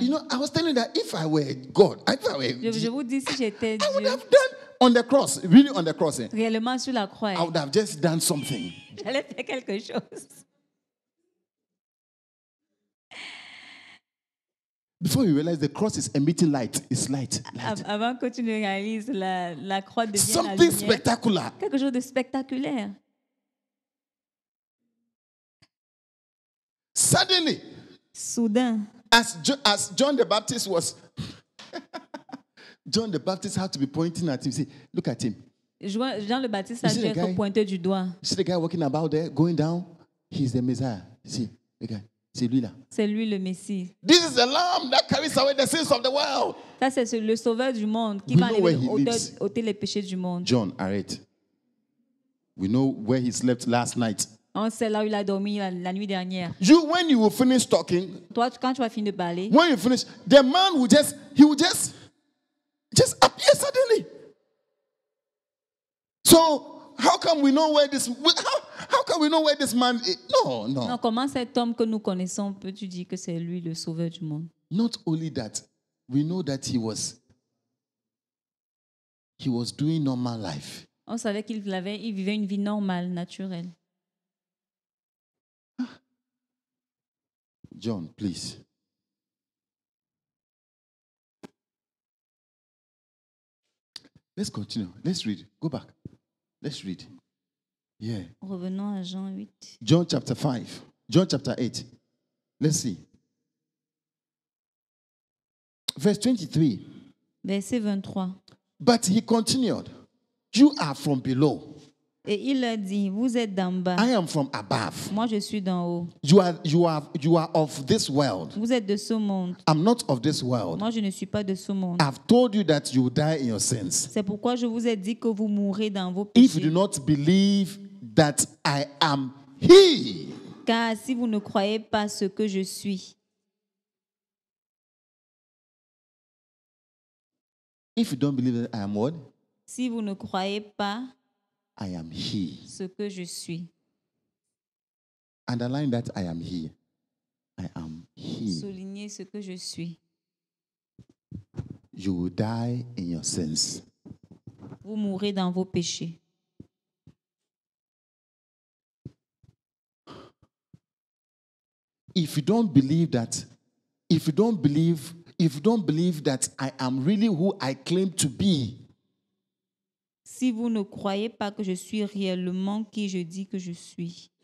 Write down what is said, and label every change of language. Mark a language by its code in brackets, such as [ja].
[en] You know, I was telling you that if I were God, if I were, [fr] je vous dis si j'étais Dieu. [en] I would have done. On the cross, really on the cross. Eh? [fr] Réellement sur la croix. [en] I would have just done something. [fr] J'allais faire quelque chose. [en] Before you realize the cross is emitting light. It's light. Light. [fr] Avant que tu ne réalises la croix devient [en] something [fr] lumière. [en] Spectacular. [fr] Quelque chose de spectaculaire. [en] Suddenly. [fr] Soudain. [en] As John the Baptist was. John the Baptist had to be pointing at him. See, look at him. [fr] Jean le Baptiste a dû être pointé du doigt. [en] See the guy walking about there, going down. He's the Messiah. See, the guy. [fr] C'est lui là. C'est lui le Messie. [en] This is the Lamb that carries away the sins of the world. [fr] Ça c'est le Sauveur du monde qui va ôter les péchés du monde. [en] John, [fr] arrête. [en] We know where he slept last night. [fr] On sait là où il a dormi la nuit dernière. [en] You, when you will finish talking. [fr] Toi, quand tu vas finir de parler. [en] When you finish, the man will just, he will just. Just appear suddenly. So how come we know where this? How can we know where this man is? No, no. [fr] Non, comment cet homme que nous connaissons peux-tu dire que c'est lui le Sauveur du monde? [en] Not only that, we know that he was He was doing normal life. [fr] On savait qu'il l'avait, il vivait une vie normale, naturelle. [en] John, please. Let's continue. Let's read. Go back. Let's read. Yeah. [fr] Revenons à Jean 8. [en] John chapter 5. John chapter 8. Let's see. Verse 23. [fr] Verset 23. [en] But he continued, you are from below. [fr] Et il a dit, vous êtes d'en bas. [en] I am from above. [fr] Moi, je suis d'en haut. [en] You are of this world. [fr] Vous êtes de ce monde. [en] I'm not of this world. [fr] Moi, je ne suis pas de ce monde. [en] I've told you that you will die in your sins. [fr] C'est pourquoi je vous ai dit que vous mourrez dans vos péchés. [en] If you do not believe that I am he. [fr] Car si vous ne croyez pas ce que je suis. [en] If you don't believe that I am what? [fr] Si vous ne croyez pas. [en] I am he. [fr] Ce que je suis. [en] Underline that I am he. I am he. [fr] Soulignez ce que je suis. [en] You will die in your sins. [fr] Vous mourrez dans vos péchés. [en] If you don't believe that, if you don't believe that I am really who I claim to be. [fr] Si vous ne croyez pas que je suis réellement qui je dis que je suis,